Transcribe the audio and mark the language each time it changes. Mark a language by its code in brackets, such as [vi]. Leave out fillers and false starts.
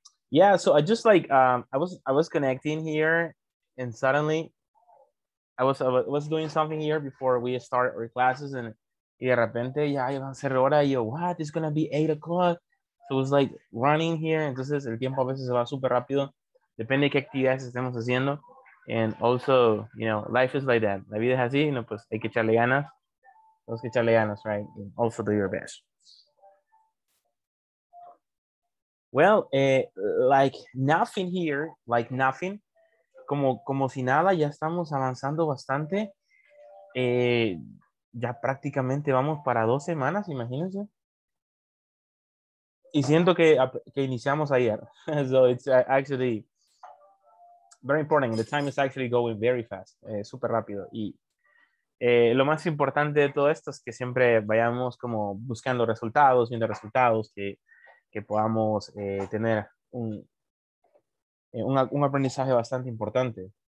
[en] Yeah, so I just like I was connecting here and suddenly I was doing something here before we start our classes and [es] de repente ya iba a ser hora y yo, [en] what? It's gonna be 8 o'clock. So it was like running here, [es] entonces el tiempo a veces se va súper rápido, depende de qué actividades estemos haciendo. [en] And also, you know, life is like that. [es] La vida es así, no pues hay que echarle ganas. Los que echarle ganas, [en] right? And also do your best. Well, like nothing here, like nothing. [es] Como si nada, ya estamos avanzando bastante. Ya prácticamente vamos para 2 semanas, imagínense. Y siento que iniciamos ayer. [en] So it's actually very important. The time is actually going very fast, [es] super rápido. Y lo más importante de todo esto es que siempre vayamos como buscando resultados, viendo resultados, que podamos tener un aprendizaje bastante importante.